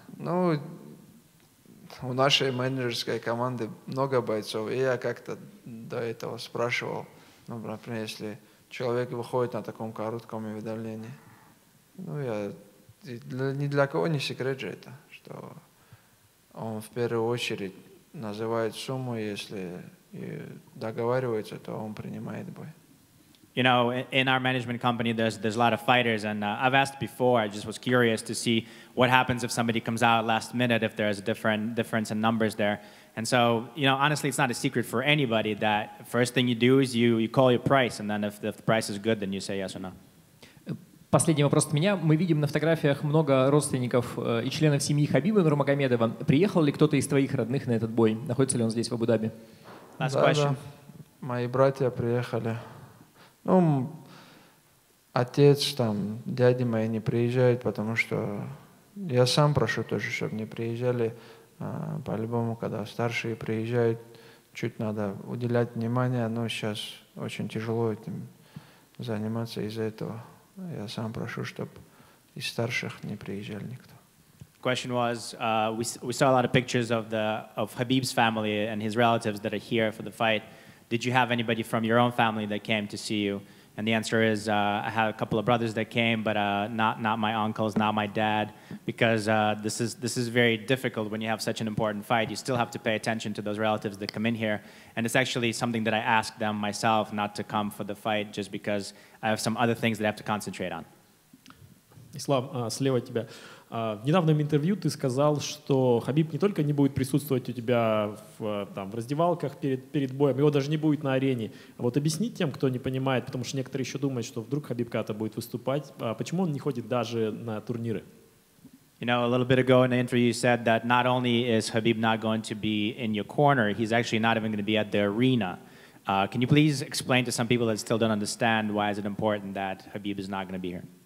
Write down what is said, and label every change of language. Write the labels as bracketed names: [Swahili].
[English] No. [Russian] У нашей менеджерской команды много бойцов, и я как-то до этого спрашивал, ну, например, если человек выходит на таком коротком уведомлении, ну, я ни для кого не секрет же это, что он в первую очередь называет сумму, если и договаривается, то он принимает бой. [English] You know, in our management company, there's a lot of fighters, and I've asked before, I just was curious to see what happens if somebody comes out last minute, if there's a difference in numbers there. And so, you know, honestly, it's not a secret for anybody that first thing you do is you call your price, and then if the price is good, then you say yes or no. [Russian] Последний вопрос от меня. Мы видим на фотографиях много родственников и членов семьи Хабиба Нурмагомедова. Приехал ли кто-то из твоих родных на этот бой? Находится ли он здесь, в Абу-Даби? [English] Last question. [Russian] Да. Мои братья приехали. Ну, отец, там, дяди мои не приезжают, потому что я сам прошу тоже, чтобы не приезжали. По-любому, когда старшие приезжают, чуть надо уделять внимание, но сейчас очень тяжело этим заниматься из-за этого. Я сам прошу, чтобы из старших не приезжали никто. [English] Question was, we saw a lot of pictures of Habib's family and his relatives that are here for the fight. did you have anybody from your own family that came to see you? And the answer is, I had a couple of brothers that came, but not my uncles, not my dad, because this is very difficult when you have such an important fight. You still have to pay attention to those relatives that come in here. And it's actually something that I ask them myself not to come for the fight, just because I have some other things that I have to concentrate on. [Russian] Ислам, слева тебя. В недавнем интервью ты сказал, что Хабиб не только не будет присутствовать у тебя в раздевалках перед боем, его даже не будет на арене. Вот объясни тем, кто не понимает, потому что некоторые еще думают, что вдруг Хабиб когда-то будет выступать. Почему он не ходит даже на турниры? [English] You know, a little bit ago in the interview you said that not only is Хабиб not going to be in your corner, he's actually not even going to be at the arena. Can you please explain to some people that still don't understand why is it important that Хабиб is not going to be here?